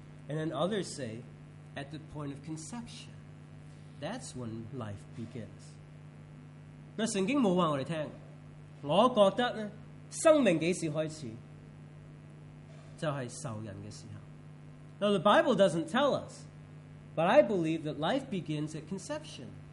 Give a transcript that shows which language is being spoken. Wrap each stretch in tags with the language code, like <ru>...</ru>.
<en>And then others say, at the point of conception, that's when life begins.</en> <zh>那圣经没有告诉我们, 我觉得呢,生命何时开始? 就是受孕的时候.</zh> <en>Now, the Bible doesn't tell us, but I believe that life begins at conception.</en>